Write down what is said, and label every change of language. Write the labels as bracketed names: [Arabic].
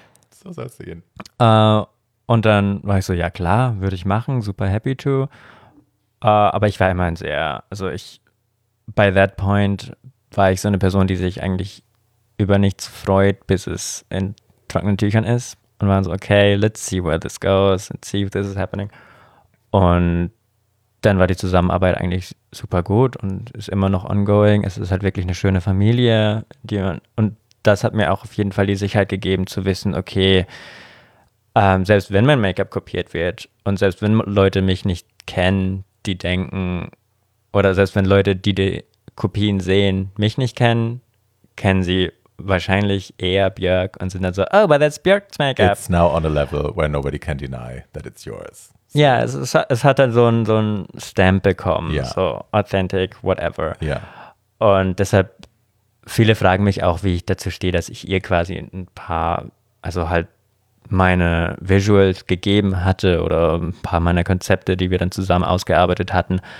[German] So soll es sehen. Und dann war ich so, ja klar, würde ich machen, [English] super happy to. [German] Aber ich war immerhin sehr, also ich, [English] by that point [German] war ich so eine Person, die sich eigentlich über nichts freut, bis es in trockenen Tüchern ist. Und war so, [English] okay, let's see where this goes, let's see if this is happening. [German] Und dann war die Zusammenarbeit eigentlich super gut und ist immer noch ongoing. Es ist halt wirklich eine schöne Familie. Und das hat mir auch auf jeden Fall die Sicherheit gegeben, zu wissen, okay, selbst wenn mein Make-up kopiert wird und selbst wenn Leute mich nicht kennen, die denken, oder selbst wenn Leute, die Kopien sehen, mich nicht kennen, kennen sie wahrscheinlich eher Björk und sind dann so, oh, [English] but that's Björk's Make-up. It's now on a level where nobody can deny that it's yours. [German] Ja, es hat dann so ein Stamp bekommen, yeah. [English] So authentic, whatever. Yeah. [German] Und deshalb, viele fragen mich auch, wie ich dazu stehe, dass ich ihr quasi ein paar, also halt meine Visuals gegeben hatte oder ein paar meiner Konzepte, die wir dann zusammen ausgearbeitet hatten.